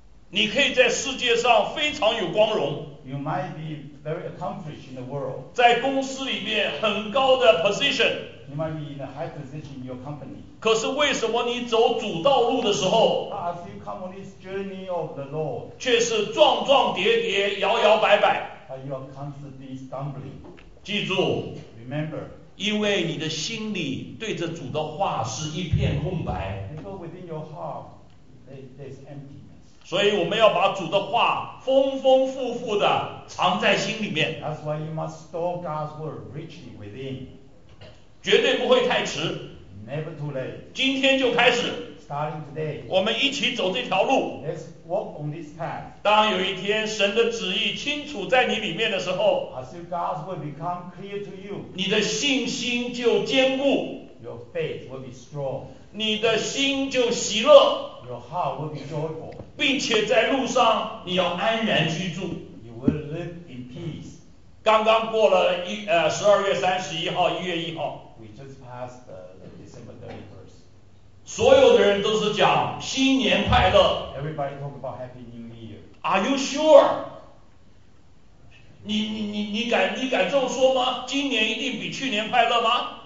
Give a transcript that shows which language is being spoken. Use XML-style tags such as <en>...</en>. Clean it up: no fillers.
<zh>你可以在世界上非常有光荣，</zh> <en>You might be very accomplished in the world，</en> <zh>在公司里面很高的 position，</zh> <en>You might be in a high position in your company，</en> <zh>可是为什么你走主道路的时候，</zh> <en>As you come on this journey of the Lord，</en> <zh>却是撞撞跌跌摇摇摆摆，</zh> <en>But you are constantly stumbling？</en> <zh>记住，</zh> <en>Remember，</en> <zh>因为你的心里对着主的话是一片空白，</zh> <en>Because within your heart, there's emptiness。</en> <zh>所以我们要把主的话丰丰富富的藏在心里面。</zh> <en>That's why you must store God's word richly within。</en> <zh>绝对不会太迟，</zh> <en>Never too late。</en> <zh>今天就开始，</zh> <en>Starting today，</en> <zh>我们一起走这条路。</zh> <en>Let's walk on this path。</en> <zh>当有一天神的旨意清楚在你里面的时候，</zh> <en>As if God's will become clear to you，</en> <zh>你的信心就坚固，</zh> <en>Your faith will be strong，</en> <zh>你的心就喜乐，</zh> <en>Your heart will be joyful，</en> <zh>并且在路上你要安然居住，</zh> <en>You will live in peace。</en> <zh>刚刚过了12月31号， 1月1号，</zh> <en>We just passed the December 31st。</en> <zh>所有的人都是讲新年快乐，</zh> <en>Everybody talk about Happy New Year。 Are you sure？</en> <zh>你敢这么说吗？今年一定比去年快乐吗？</zh>